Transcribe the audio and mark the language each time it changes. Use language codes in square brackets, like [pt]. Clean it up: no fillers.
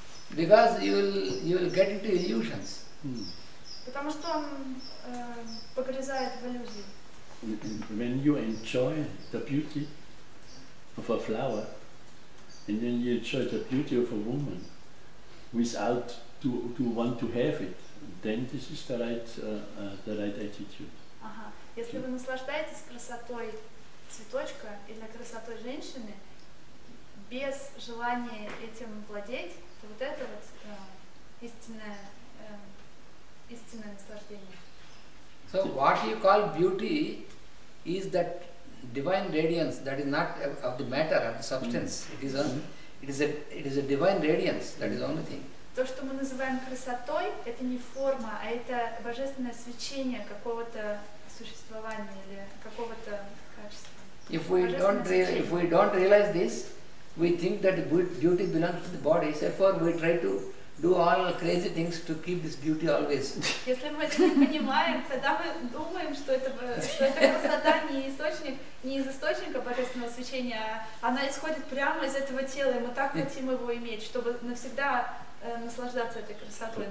[en] Because you will get into illusions. [ru] Потому что он погрязает в иллюзии. [en] When you enjoy the beauty of a flower, and then you enjoy the beauty of a woman without to want to have it, then this is the right attitude. [ru] Ага. Если вы наслаждаетесь красотой цветочка или красотой женщины без желания этим владеть, то вот это вот истинное наслаждение. [en] So what you call beauty is that divine radiance that is not of the matter, of the substance. Mm-hmm. It is a divine radiance, that is the only thing. [ru] То, что мы называем красотой, это не форма, а это божественное свечение какого-то существования или какого-то качества. [en] If we don't realize this, we think that beauty belongs to the body, therefore we try to do all crazy things to keep this beauty always. [ru] Если мы это не понимаем, тогда мы думаем, что это красота не из источника божественного свечения, а она исходит прямо из этого тела, и мы так хотим его иметь, чтобы навсегда наслаждаться этой красотой.